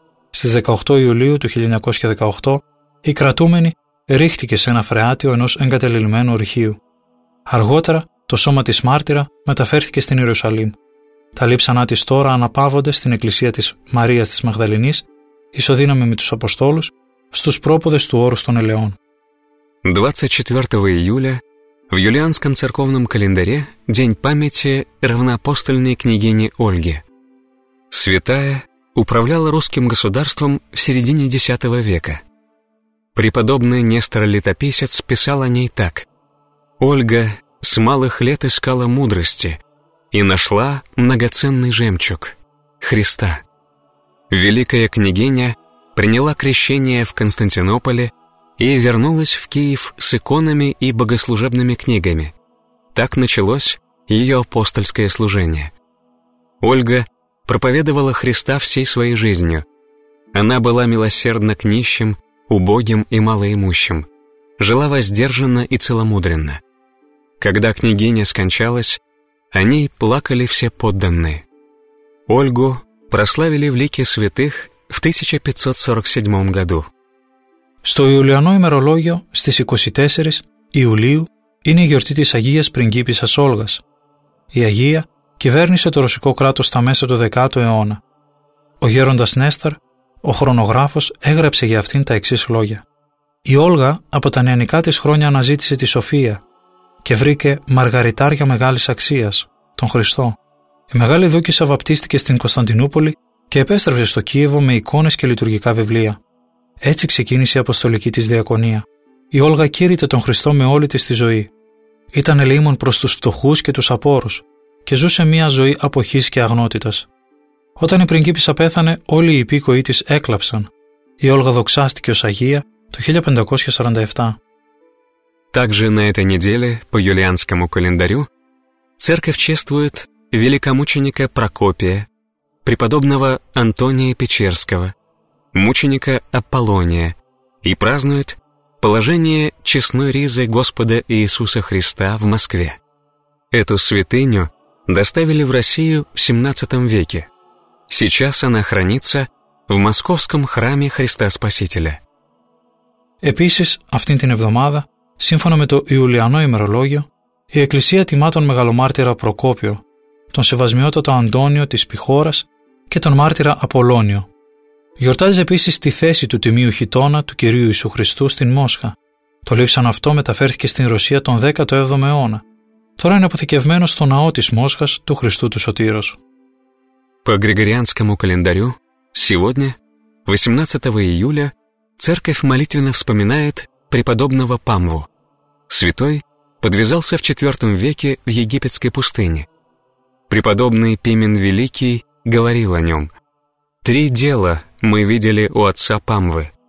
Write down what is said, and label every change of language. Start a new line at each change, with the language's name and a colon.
Greek: Στις 18 Ιουλίου του 1918, η κρατούμενη ρίχτηκε σε ένα φρεάτιο ενός εγκατελελειμμένου ορυχείου. Αργότερα, το σώμα της μάρτυρα μεταφέρθηκε στην Ιερουσαλήμ. Τα λείψανά της τώρα αναπαύονται στην εκκλησία της Μαρίας της Μαγδαληνής, ισοδύναμη με τους Αποστόλους, στους πρόποδες του όρους των Ελαιών.
Russian: 24 июля в юлианском церковном календаре день памяти равноапостольной княгини Ольги. Святая управляла русским государством в середине X века. Преподобный Нестор Летописец писал о ней так: «Ольга с малых лет искала мудрости и нашла многоценный жемчуг — Христа. Великая княгиня приняла крещение в Константинополе и вернулась в Киев с иконами и богослужебными книгами. Так началось ее апостольское служение. Ольга проповедовала Христа всей своей жизнью. Она была милосердна к нищим, убогим и малоимущим, жила воздержанно и целомудренно. Когда княгиня скончалась, о ней плакали все подданные. Ольгу прославили в лике святых в 1547 году».
Greek: Στο Ιουλιανό ημερολόγιο, στις 24 Ιουλίου, είναι η γιορτή της Αγίας Πριγκίπισσας Όλγας. Η Αγία κυβέρνησε το ρωσικό κράτος στα μέσα του 10ου αιώνα. Ο γέροντας Νέσταρ, ο χρονογράφος, έγραψε για αυτήν τα εξής λόγια: «Η Όλγα από τα νεανικά της χρόνια αναζήτησε τη σοφία και βρήκε μαργαριτάρια μεγάλης αξίας, τον Χριστό. Η μεγάλη δούκισσα βαπτίστηκε στην Κωνσταντινούπολη και επέστρεψε στο Κίεβο με εικόνες και λειτουργικά βιβλία. Έτσι ξεκίνησε η αποστολική της διακονία. Η Όλγα κήρυτε τον Χριστό με όλη της τη ζωή. Ήταν ελεήμων προς τους φτωχούς και τους απόρους και ζούσε μια ζωή αποχής και αγνότητας. Όταν η πριγκίπισσα πέθανε, όλοι οι υπήκοοι της έκλαψαν. Η Όλγα δοξάστηκε ως Αγία το 1547».
Russian: Также на этой неделе по юлианскому календарю церковь чествует великомученика Прокопия, преподобного Антония Печерского, мученика Аполлония, и празднует положение честной ризы Господа Иисуса Христа в Москве. Эту святыню доставили в Россию в 17 веке. Сейчас она хранится в Московском храме Христа Спасителя.
Greek: Επίσης, αυτήν την εβδομάδα, σύμφωνα με το Ιουλιανό ημερολόγιο, η Εκκλησία τιμά τον μεγαλομάρτυρα Προκόπιο, τον σεβασμιότατο Αντώνιο της Πηχώρας και τον μάρτυρα Απολώνιο. Γιορτάζει επίσης τη θέση του τιμίου χιτώνα του Κυρίου Ιησού Χριστού στην Μόσχα. Το λείψαν αυτό μεταφέρθηκε στην Ρωσία τον 17ο αιώνα. Τώρα είναι αποθηκευμένο στο ναό της Μόσχας του Χριστού του Σωτήρος.
Russian: По Григорианскому календарю, сегодня, 18 июля, Церковь молитвенно вспоминает преподобного Памву. Святой подвязался в IV веке в египетской пустыне. Преподобный Пимен Великий говорил о нем. «Три дела мы видели у отца Памвы.